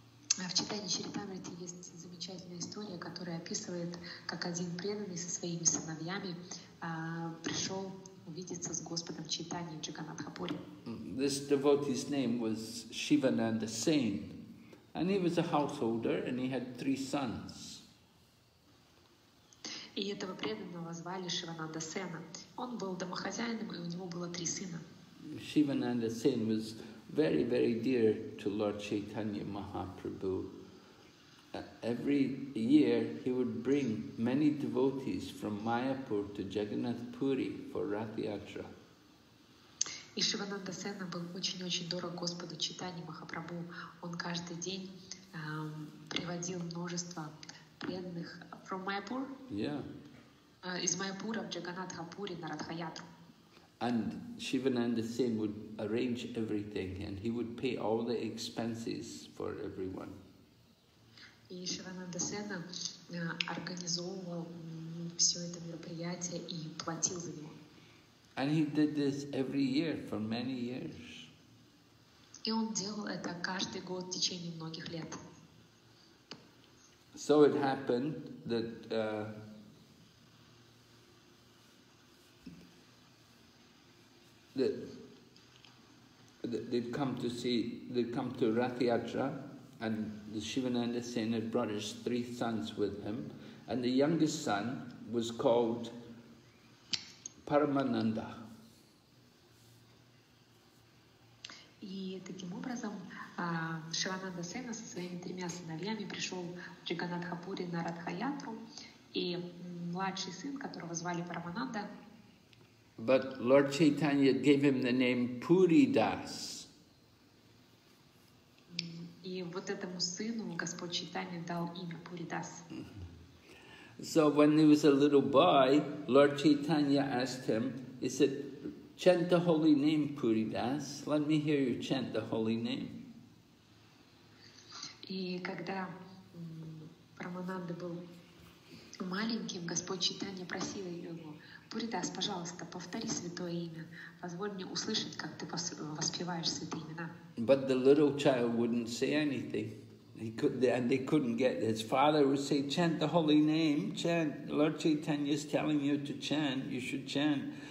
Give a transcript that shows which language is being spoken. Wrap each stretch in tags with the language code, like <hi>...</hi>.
<ru>В Читании Чаритамриты есть замечательная история, которая описывает, как один преданный со своими сыновьями пришел увидеться с Господом Чайтаньей в Джаганатхапуре.</ru> <en>This devotee's name was Shivananda Sen, and he was a householder, and he had three sons.</en> <ru>И этого преданного звали Шивананда Сена. Он был домохозяином, и у него было три сына.</ru> <en>Shivananda Sen was very, very dear to Lord Chaitanya Mahaprabhu. Every year he would bring many devotees from Mayapur to Jagannath Puri for Rath Yatra.</en> <ru>И Шивананда Сена был очень-очень дорог Господу Чайтанье Махапрабху. Он каждый день приводил множество преданных</ru> <en>from Mayapur. Yeah.</en> <ru>Из Майапура в Джаганатхапури на Радхаятру.</ru> <en>And Shivananda Sen would arrange everything, and he would pay all the expenses for everyone.</en> <ru>И Шивананда Сена организовывал все это мероприятие и платил за него.</ru> <en>And he did this every year for many years.</en> <ru>И он делал это каждый год в течение многих лет.</ru> <en>So it happened that they'd come to Rath Yatra, and the Shivananda Sen had brought his three sons with him, and the youngest son was called Paramananda.</en> <ru>И таким образом Шивананда Сена со своими тремя сыновьями пришел в Джаганатхапури на Радхаятру, и младший сын, которого звали Парамананда.</ru> <en>But Lord Chaitanya gave him the name Puri Das.</en> <ru>И вот этому сыну Господь Чайтанья дал имя Puri Das.</ru> <en>So when he was a little boy, Lord Chaitanya asked him, he said, chant the holy name, Puri Das. Let me hear you chant the holy name.</en> <ru>И когда Парамананда был маленьким, Господь Чайтанья просил его, Пуридас, пожалуйста, повтори святое имя. Позволь мне услышать, как ты воспеваешь святые имена.</ru> <en>But the little child wouldn't say anything. They couldn't get, his father would say, chant the holy name, chant. Lord Chaitanya is telling you to chant, you should chant.</en>